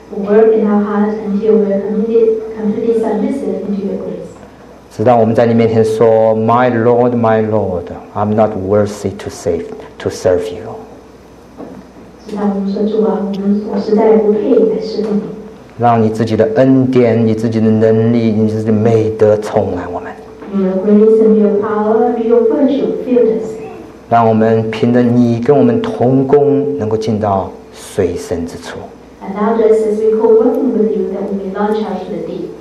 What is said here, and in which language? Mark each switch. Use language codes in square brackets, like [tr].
[en] Work in our hearts until we completely submissive into your grace. [zh] 直到我们在你面前说 [en] "My Lord, My Lord, I'm not worthy to save, to serve you." [zh] 直到我们说主啊，我实在不配来侍奉你。让你自己的恩典、你自己的能力、你自己的美德充满我们。 [en] Your grace and your power, your virtue fill us. [zh] 让我们凭着你跟我们同工，能够进到水深之处。 [en] And now, just as we co-working with you, that we may launch out to the deep.